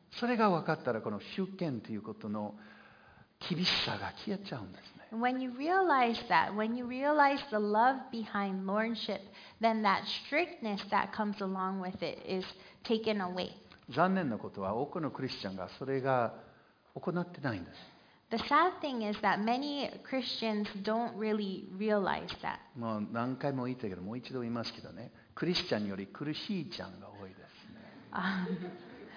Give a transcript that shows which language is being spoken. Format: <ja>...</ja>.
<ja>それが分かったらこの主権ということの厳しさが消えちゃうんですね。</ja> <en>When you realize that, when you realize the love behind lordship, then that strictness that comes along with it is taken away.</en> <ja>残念なことは多くのクリスチャンがそれが行ってないんです。</ja> <en>The sad thing is that many Christians don't really realize that.</en> <ja>もう何回も言ったけど、もう一度言いますけどね、クリスチャンより苦しいちゃんが多いですね。</ja>